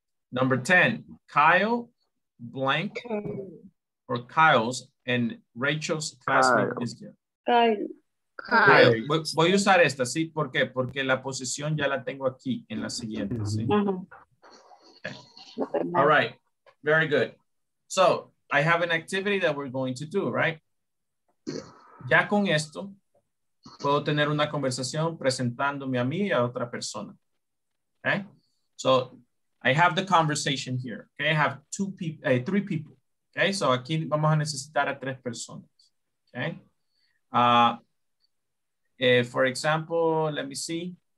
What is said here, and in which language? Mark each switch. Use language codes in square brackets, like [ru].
[en] Number 10, Kyle blank or Kyle's and Rachel's classmate is here. Kyle. [es] Voy a usar esta, ¿sí? ¿Por qué? Porque la posición ya la tengo aquí en la siguiente, ¿sí? [en] Okay. All right, very good. So, I have an activity that we're going to do, right? [es] Ya con esto, puedo tener una conversación presentándome a mí y a otra persona. [en] Okay? So, I have the conversation here. Okay? I have three people. Okay? [es] So, aquí vamos a necesitar a tres personas. [en] Okay? For example, let me see.